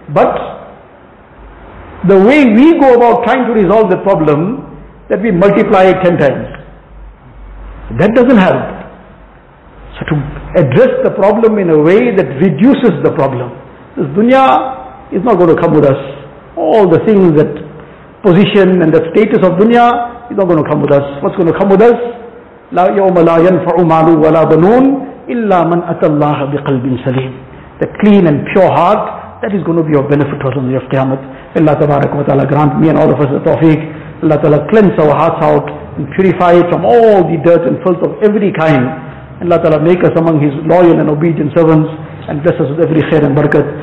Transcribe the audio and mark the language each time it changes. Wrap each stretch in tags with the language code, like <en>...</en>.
<en>But the way we go about trying to resolve the problem, that we multiply it 10 times. That doesn't help. So to address the problem in a way that reduces the problem. This dunya is not going to come with us. All the things that position and the status of dunya, it's not going to come with us. What's going to come with us?</en> <ar>لا يوم لا ينفع مال ولا بنون إلا من أتى الله بقلب سليم.</ar> <en>The clean and pure heart, that is going to be of benefit to us on the day of Qiyamah. Allah Tabarak wa Ta'ala grant me and all of us the tawfiq. Allah Ta'ala cleanse our hearts out and purify it from all the dirt and filth of every kind. Allah Ta'ala make us among His loyal and obedient servants and bless us with every khair and barakat.</en>